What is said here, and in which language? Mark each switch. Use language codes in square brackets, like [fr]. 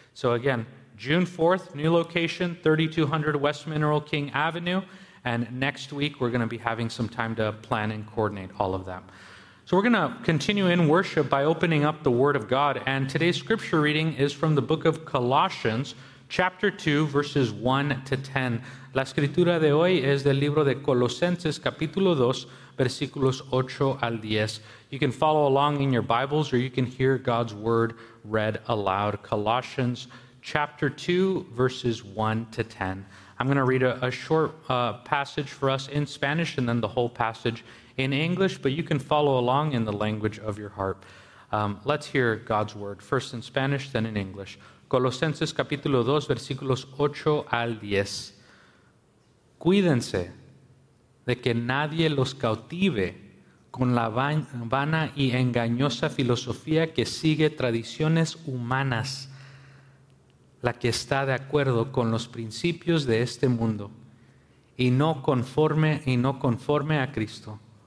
[en] So again, June 4th, new location, 3200 West Mineral King Avenue. And next week, we're going to be having some time to plan and coordinate all of that. So we're going to continue in worship by opening up the Word of God. And today's scripture reading is from the book of Colossians, chapter 2, verses 1 to 10. [es] La escritura de hoy es del libro de Colosenses, capítulo 2, versículos 8 al 10. [en] You can follow along in your Bibles or you can hear God's Word read aloud. Colossians chapter 2, verses 1 to 10. I'm going to read a short passage for us in Spanish and then the whole passage in English, but you can follow along in the language of your heart. Let's hear God's Word, first in Spanish, then in English. [es] Colosenses capítulo 2, versículos 8 al 10. Cuídense de que nadie los cautive con la vana y engañosa filosofía que sigue tradiciones humanas, la que está de acuerdo con los principios de este mundo y no conforme a Cristo.